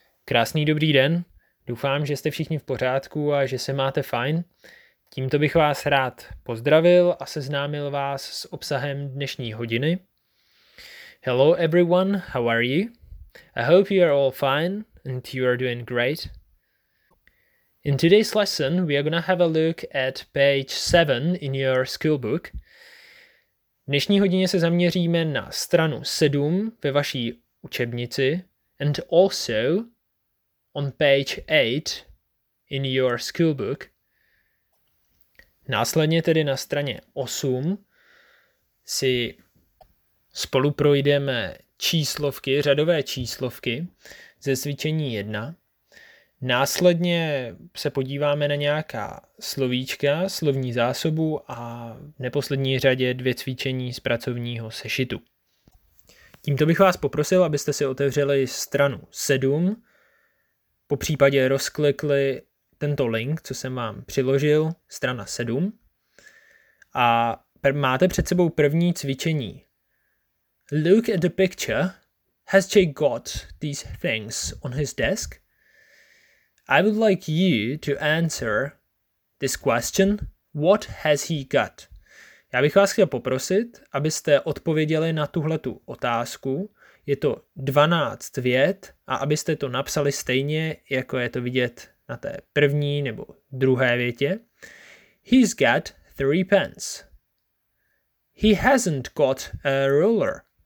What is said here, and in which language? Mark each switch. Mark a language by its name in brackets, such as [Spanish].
[Czech] Krásný dobrý den, doufám, že jste všichni v pořádku a že se máte fajn. Tímto bych vás rád pozdravil a seznámil vás s obsahem dnešní hodiny. [English] Hello everyone, how are you? I hope you are all fine and you are doing great. In today's lesson, we are gonna have a look at page 7 in your school book. [Czech] V dnešní hodině se zaměříme na stranu 7 ve vaší učebnici [English] and also on page 8 in your school book. [Czech] Následně tedy na straně 8 si spolu projdeme číslovky, řadové číslovky ze cvičení 1. Následně se podíváme na nějaká slovíčka, slovní zásobu a v neposlední řadě dvě cvičení z pracovního sešitu. Tímto bych vás poprosil, abyste si otevřeli stranu 7, popřípadě rozklikli tento link, co jsem vám přiložil, strana 7. A máte před sebou první cvičení. [English] Look at the picture. Has Jake got these things on his desk? I would like you to answer this question. What has he got? [Czech] Já bych vás chtěl poprosit, abyste odpověděli na tuhletu otázku. Je to 12 vět a abyste to napsali stejně, jako je to vidět na té první nebo druhé větě. [English] He's got 3 pens. He hasn't got a ruler.